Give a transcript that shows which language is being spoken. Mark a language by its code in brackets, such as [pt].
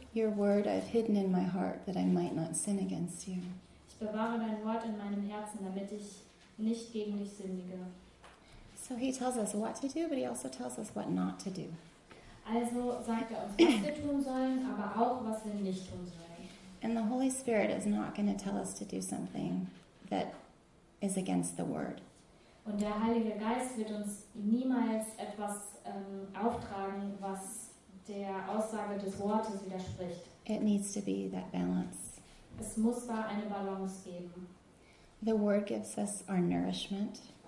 [en] your word I've hidden in my heart that I might not sin against you. [de] Ich bewahre dein Wort in meinem Herzen, damit ich nicht gegen dich sündige. [en] So he tells us what to do, but he also tells us what not to do. [de] Also sagt er uns, was wir tun sollen, aber auch, was wir nicht tun sollen. [en] And the Holy Spirit is not going to tell us to do something that is against the word. [de] Und der Heilige Geist wird uns niemals etwas auftragen, was der Aussage des Wortes widerspricht. [en] It needs to be that balance. [de] Es muss da eine Balance geben. [en] The word gives us our nourishment.